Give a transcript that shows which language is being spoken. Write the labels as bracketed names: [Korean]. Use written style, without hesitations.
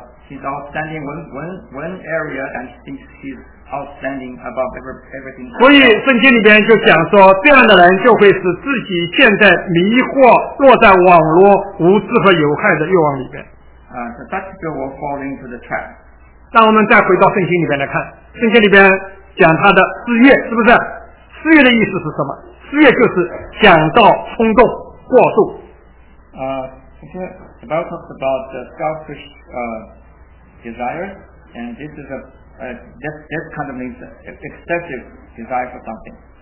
[English] He's outstanding one area and thinks he's outstanding above everything. [Chinese] 所以圣经里边就讲说，这样的人就会使自己陷在迷惑，落在网络无知和有害的诱惑里边。 [English] Such people will fall into the trap. [Chinese] 那我们再回到圣经里边来看，圣经里边讲他的私欲，是不是？私欲的意思是什么？私欲就是想到冲动过度。 [English] The Bible talks about the selfish desires. And this is that kind of means excessive desire for something.